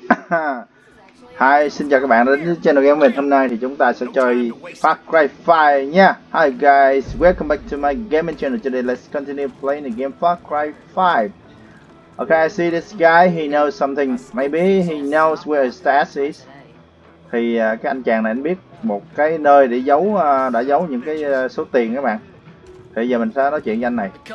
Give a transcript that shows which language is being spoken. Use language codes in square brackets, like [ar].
[vi] Hi, xin chào các bạn đến với channel game mình. Hôm nay thì chúng ta sẽ chơi Far Cry 5 nha. [en] Hi guys, welcome back to my gaming channel. Today let's continue playing the game Far Cry 5. Okay, I see this guy, he knows something. Maybe he knows where his stash is. [vi] Thì cái anh chàng này anh biết một cái nơi để giấu đã giấu những cái số tiền các bạn. Thì giờ mình sẽ nói chuyện với anh này.